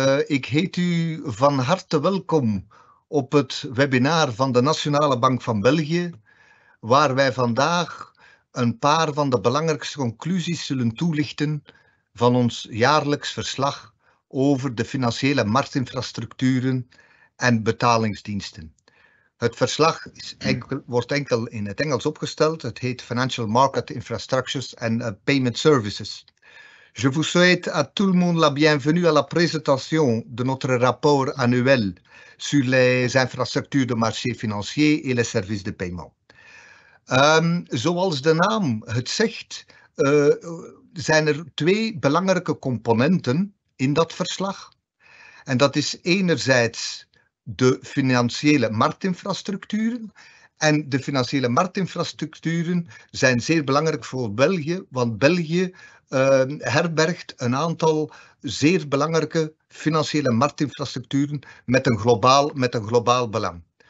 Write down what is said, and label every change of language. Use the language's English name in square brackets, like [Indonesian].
[Dutch] Ik heet u van harte welkom op het webinar van de Nationale Bank van België, waar wij vandaag een paar van de belangrijkste conclusies zullen toelichten van ons jaarlijks verslag over de financiële marktinfrastructuren en betalingsdiensten. Het verslag wordt enkel in het Engels opgesteld. Het heet Financial Market Infrastructures and Payment Services. [French] Je vous souhaite à tout le monde la bienvenue à la présentation de notre rapport annuel sur les infrastructures de marché financier et les services de paiement. [Dutch] Zoals de naam het zegt, zijn er twee belangrijke componenten in dat verslag. En dat is enerzijds de financiële marktinfrastructuren. En de financiële marktinfrastructuren zijn zeer belangrijk voor België, want België herbergt een aantal zeer belangrijke financiële marktinfrastructuren met een globaal belang.